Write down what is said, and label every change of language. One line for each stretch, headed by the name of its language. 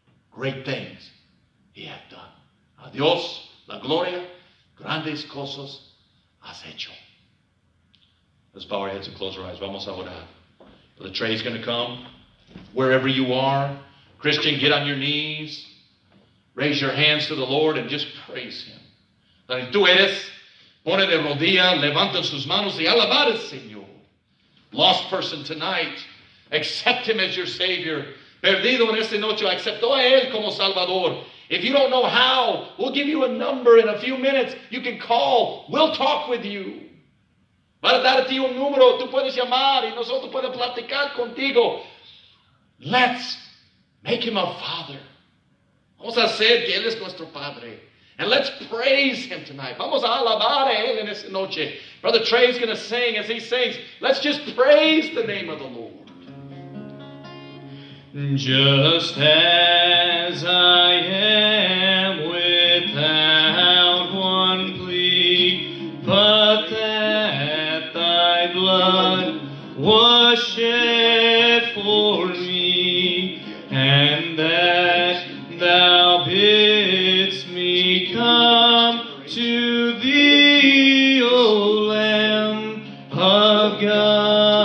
English: Great things He hath done.
Spanish: Adiós, la gloria, grandes cosas has hecho.
English: Let's bow our heads and close our eyes.
Spanish: Vamos a orar.
English: The tray is going to come. Wherever you are, Christian, get on your knees. Raise your hands to the Lord and just praise Him.
Spanish: Donde tú eres, pone de rodilla, levanta sus manos y alabar al Señor.
English: Lost person tonight, accept Him as your Savior.
Spanish: Perdido en esta noche, aceptó a Él como Salvador.
English: If you don't know how, we'll give you a number in a few minutes. You can call. We'll talk with you.
Spanish: Para darte un número, tú puedes llamar y nosotros podemos platicar contigo.
English: Let's make Him a Father.
Spanish: Vamos a hacer que Él es nuestro Padre.
English: And let's praise Him tonight.
Spanish: Vamos a alabar a Él en esta noche.
English: Brother Trey is going to sing as he sings. Let's just praise the name of the Lord. Just as I am without one plea, but that Thy blood was shed for me, and that Thou bidst me come to Thee, O Lamb of God.